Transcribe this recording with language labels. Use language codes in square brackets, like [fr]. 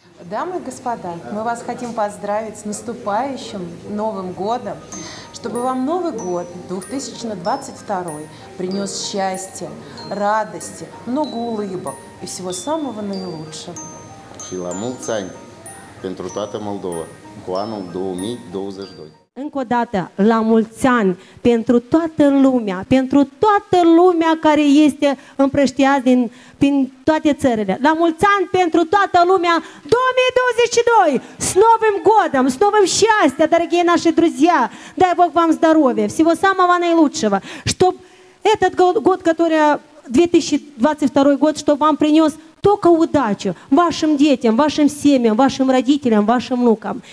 [ru] Дамы и господа, мы вас хотим поздравить с наступающим Новым годом, чтобы вам Новый год 2022 принес счастье, радости, много улыбок и всего самого наилучшего. [ro] Шиламул цань, pentru toată Moldova, cu anul 2022. Încă o dată, la mulți ani, pentru toată lumea, pentru toată lumea care este împrăștiat din toate țările. La mulți ani pentru toată lumea, 2022! [ru] С Новым годом, с новым счастьем, дорогие наши друзья! Дай Бог вам здоровья, всего самого наилучшего, чтоб этот год, который 2022 год, чтоб вам принес только удачу вашим детям, вашим семьям, вашим родителям, вашим внукам.